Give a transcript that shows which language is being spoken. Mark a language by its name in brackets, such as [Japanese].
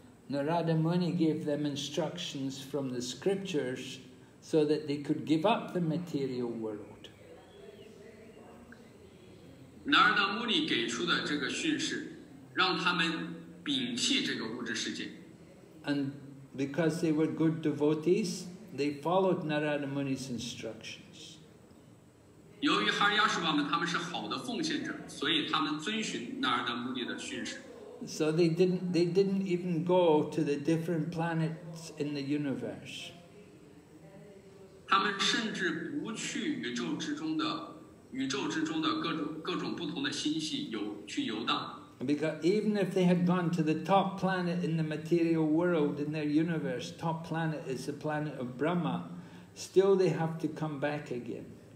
[English] Narada Muni gave them instructions from the scriptures so that they could give up the material world. [Chinese] Narada Muni 给出的这个训示让他们摒弃这个物质世界。 [English] And because they were good devotees, they followed Narada Muni's instructions. [Chinese] 由于哈尔亚什瓦们他们是好的奉献者，所以他们遵循纳尔达穆尼的训示。 [English] So they didn't even go to the different planets in the universe. [Chinese] 他们甚至不去宇宙之中的各种不同的星系去游荡。 [English] Because even if they had gone to the top planet in the material world, in their universe, top planet is the planet of Brahma, still they have to come back again.